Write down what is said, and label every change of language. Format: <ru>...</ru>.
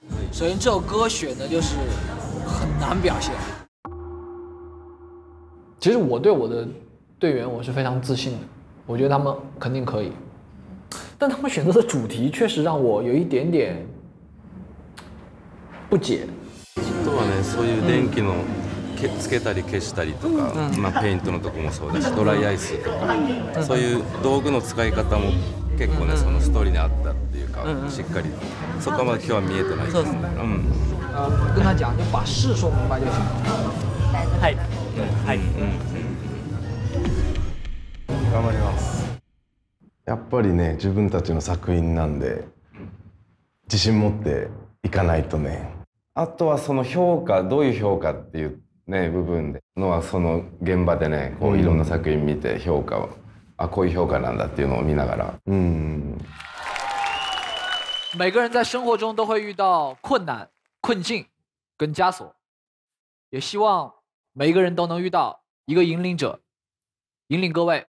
<zh>首先这首歌选的就是很难表现。其实我对我的队员我是非常自信的。我觉得他们肯定可以，但他们选择的主题确实让我有一点点不解。</zh> <ja>ちょっとはね、そういう電気のつけたり消したりとか、まあペイントのとこもそうだし、ドライアイスとか、そういう道具の使い方も結構ね、そのストーリーにあったっていうか、しっかりそこまで今日は見えてないですね。嗯。</ja> <zh>跟他讲，就把事说明白就行。</zh> <ja>はい。はい。頑張ります。やっぱりね、自分たちの作品なんで自信持っていかないとね。あとはその評価、どういう評価っていうね部分でのはその現場でね、こういろんな作品見て評価を、あこういう評価なんだっていうのを見ながら。</ja> <zh>每个人在生活中都会遇到困难、困境跟枷锁，也希望每一个人都能遇到一个引领者，引领各位。</zh>